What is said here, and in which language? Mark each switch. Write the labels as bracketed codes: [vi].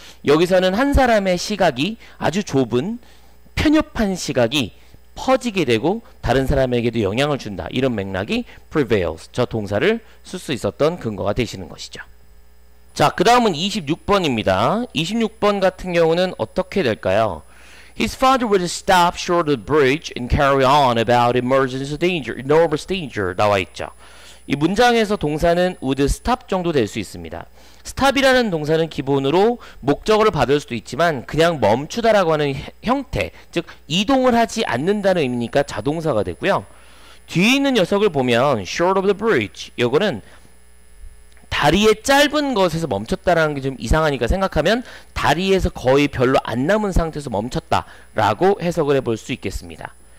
[ko] 여기서는 한 사람의 시각이 아주 좁은 편협한 시각이 퍼지게 되고 다른 사람에게도 영향을 준다. 이런 맥락이 prevails, 저 동사를 쓸 수 있었던 근거가 되시는 것이죠. 자, 그 다음은 26번입니다. 26번 같은 경우는 어떻게 될까요? [en] His father would stop short of the bridge and carry on about emergency danger, enormous danger 나와 있죠. [ko] 이 문장에서 동사는 would stop 정도 될 수 있습니다. stop이라는 동사는 기본으로 목적어를 받을 수도 있지만 그냥 멈추다라고 하는 형태, 즉 이동을 하지 않는다는 의미니까 자동사가 되고요. 뒤에 있는 녀석을 보면 short of the bridge, 이거는 다리의 짧은 것에서 멈췄다라는 게 좀 이상하니까 생각하면 다리에서 거의 별로 안 남은 상태에서 멈췄다라고 해석을 해볼 수 있겠습니다.